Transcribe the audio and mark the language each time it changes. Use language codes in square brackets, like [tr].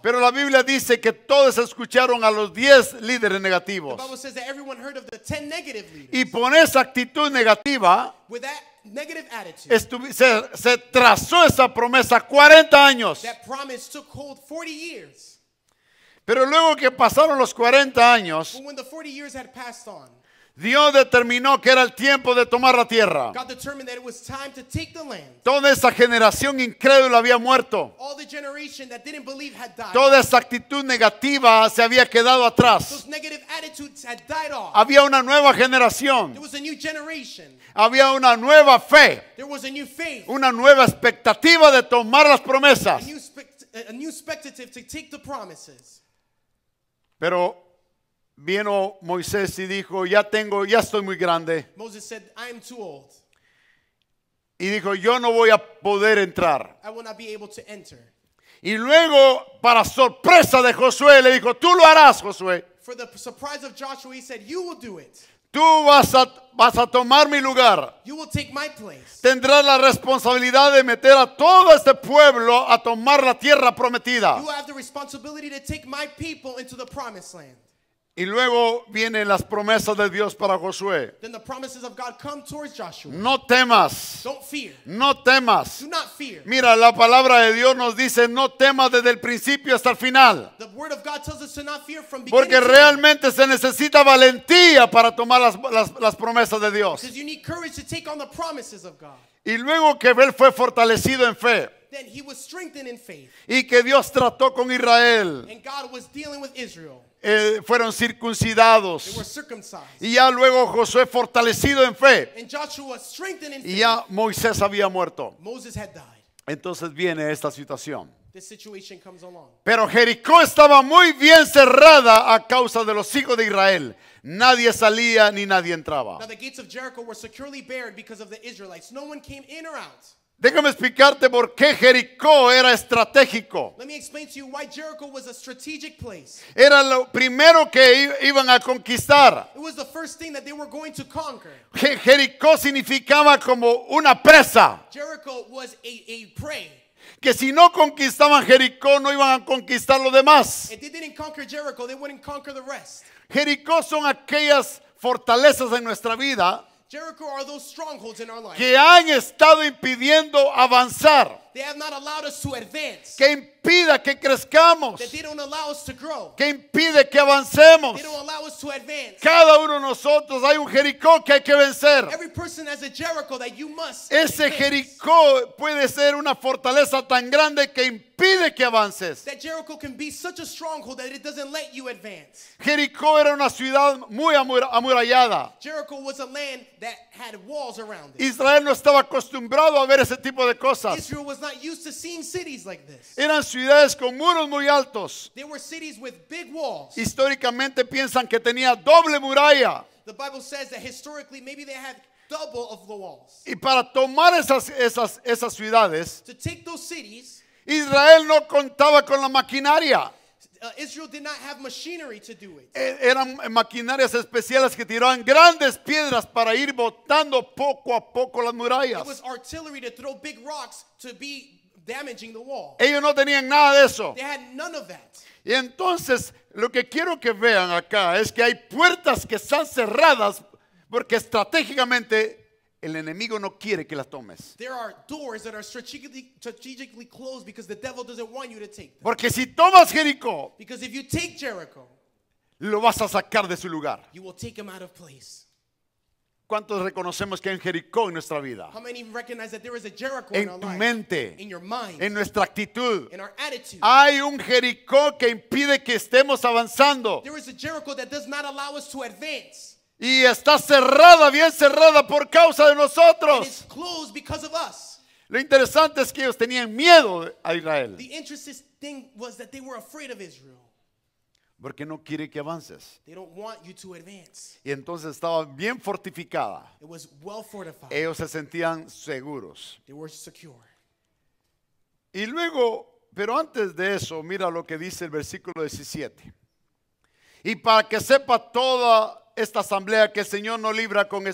[es] Pero la Biblia dice que todos escucharon a los 10 líderes negativos. [en] The Bible says that everyone heard of the 10 negative leaders. [es] Y con esa actitud negativa, [en] with that negative attitude, [es] se trazó esa promesa 40 años. [en] That promise took hold 40 years. [es] Pero luego que pasaron los 40 años, [en] but when the 40 years had passed on, [es] Dios determinó que era el tiempo de tomar la tierra. [en] God determined that it was time to take the land. [es] Toda esa generación incrédula había muerto. [en] All the generation that didn't believe had died. [es] Toda esa actitud negativa se había quedado atrás. [en] Those negative attitudes had died off. [es] Había una nueva generación. [en] There was a new generation. [es] Había una nueva fe. [en] There was a new faith. [es] Una nueva expectativa de tomar las promesas. [en] A new expectative to take the promises. [es] Pero vino Moisés y dijo, ya estoy muy grande. [en] Moses said, I am too old. [es] Y dijo, yo no voy a poder entrar. [en] I will not be able to enter. [es] Y luego, para sorpresa de Josué, le dijo, tú lo harás, Josué. [en] For the surprise of Joshua, he said, you will do it. [es] Tú vas a tomar mi lugar. [en] You will take my place. [es] Tendrás la responsabilidad de meter a todo este pueblo a tomar la tierra prometida. [en] You have the responsibility to take my people into the promised land. [es] Y luego vienen las promesas de Dios para Josué. [en] Then the promises of God come towards Joshua. [es] No temas. [en] Don't fear. [es] No temas. [en] Do not fear. [es] Mira, la palabra de Dios nos dice no temas desde el principio hasta el final. [en] The word of God tells us to not fear from beginning. [es] Porque realmente se necesita valentía para tomar las promesas de Dios. [en] Because you need courage to take on the promises of God. [es] Y luego que él fue fortalecido en fe. [en] Then he was strengthened in faith. [es] Y que Dios trató con Israel. [en] And God was dealing with Israel. [es] Fueron circuncidados. [en] They were circumcised. [es] Y ya luego Josué fortalecido en fe. [en] And Joshua strengthened in faith. [es] Y ya Moisés había muerto. [en] Moses had died. [es] Entonces viene esta situación. [en] This situation comes along. [es] Pero Jericó estaba muy bien cerrada a causa de los hijos de Israel. Nadie salía ni nadie entraba. [en] Now the gates of Jericho were securely barred because of the Israelites. No one came in or out. [es] Déjame explicarte por qué Jericó era estratégico. [en] Let me explain to you why Jericho was a strategic place. [es] Era lo primero que iban a conquistar. [en] It was the first thing that they were going to conquer. [es] Jericó significaba como una presa. [en] Jericho was a prey. [es] Que si no conquistaban Jericó, no iban a conquistar lo demás. [en] If they didn't conquer Jericho, they wouldn't conquer the rest. [es] Jericó son aquellas fortalezas en nuestra vida. [en] Jericho are those strongholds in our life. [es] Que han estado impidiendo avanzar. [en] They have not allowed us to advance. [es] Que impida que crezcamos. [en] That they don't allow us to grow. [es] Que impide que avancemos. [en] They don't allow us to advance. [es] Cada uno de nosotros hay un Jericó que hay que vencer. [en] Every person has a Jericho that you must. [es] Ese Jericó puede ser una fortaleza tan grande que impide que avances. [en] That Jericho can be such a stronghold that it doesn't let you advance. [es] Jericó era una ciudad muy amurallada. [en] Jericho was a land that had walls around it. [es] Israel no estaba acostumbrado a ver ese tipo de cosas. [en] Israel was not used to seeing cities like this. [es] Eran ciudades con muros muy altos. [en] They were cities with big walls. [es] Históricamente piensan que tenía doble muralla. [en] The Bible says that historically maybe they had double of the walls. [es] Y para tomar esas ciudades, [en] to take those cities, [es] Israel no contaba con la maquinaria. [en] Israel did not have machinery to do it. [es] Eran maquinarias especiales que tiraban grandes piedras para ir botando poco a poco las murallas. [en] It was artillery to throw big rocks to be damaging the wall. [es] Ellos no tenían nada de eso. [en] They had none of that. [es] Y entonces, lo que quiero que vean acá es que hay puertas que están cerradas porque estratégicamente el enemigo no quiere que las tomes. [en] There are doors that are strategically closed because the devil doesn't want you to take them. [es] Porque si tomas Jericó, [en] because if you take Jericho, [es] lo vas a sacar de su lugar. [en] You will take him out of place. [es] ¿Cuántos reconocemos que hay un Jericó en nuestra vida? [en] How many recognize that there is a Jericho [es] en [en] our life? [es] Tu mente, [en] in your mind, [es] en nuestra actitud, [en] in our attitude. [es] Hay un Jericó que impide que estemos avanzando. [en] There is a Jericho that does not allow us to advance. [es] Y está cerrada, bien cerrada por causa de nosotros. [en] It is closed because of us. [es] Lo interesante es que ellos tenían miedo a Israel. [en] The interesting thing was that they were afraid of Israel. [es] Porque no quiere que avances. [en] They don't want you to advance. [es] Y entonces estaba bien fortificada. [en] It was well fortified. [es] Ellos se sentían seguros. [en] They were secure. [es] Y luego, pero antes de eso, mira lo que dice el versículo 17. Y para que sepa toda esta asamblea que el Señor no libra con...